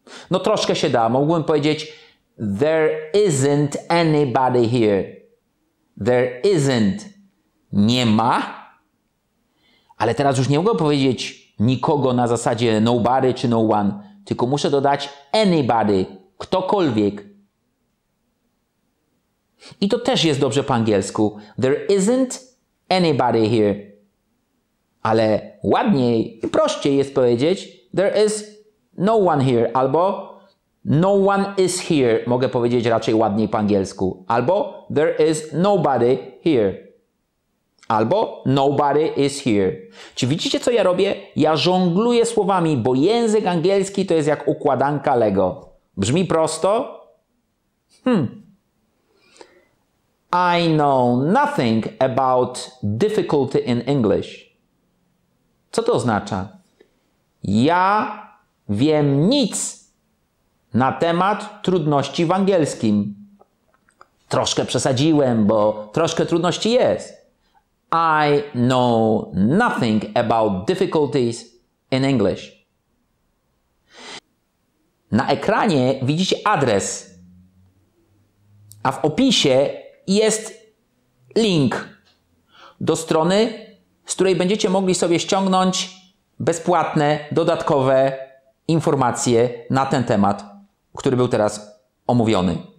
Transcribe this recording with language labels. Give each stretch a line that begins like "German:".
Polish: No troszkę się da. Mógłbym powiedzieć,
English: there isn't anybody here. There isn't.
Polish: Nie ma. Ale teraz już nie mogę powiedzieć nikogo na zasadzie nobody czy no one, tylko muszę dodać anybody, ktokolwiek. I to też jest dobrze po angielsku.
English: There isn't anybody here.
Polish: Ale ładniej i prościej jest powiedzieć
English: there is no one here,
Polish: albo
English: no one is here.
Polish: Mogę powiedzieć raczej ładniej po angielsku. Albo
English: there is nobody here.
Polish: Albo
English: nobody is here.
Polish: Czy widzicie, co ja robię? Ja żongluję słowami, bo język angielski to jest jak układanka Lego. Brzmi prosto?
English: I know nothing about difficulty in English.
Polish: Co to oznacza? Ja wiem nic na temat trudności w angielskim. Troszkę przesadziłem, bo troszkę trudności jest.
English: I know nothing about difficulties in English.
Polish: Na ekranie widzicie adres, a w opisie jest link do strony, z której będziecie mogli sobie ściągnąć bezpłatne, dodatkowe informacje na ten temat, który był teraz omówiony.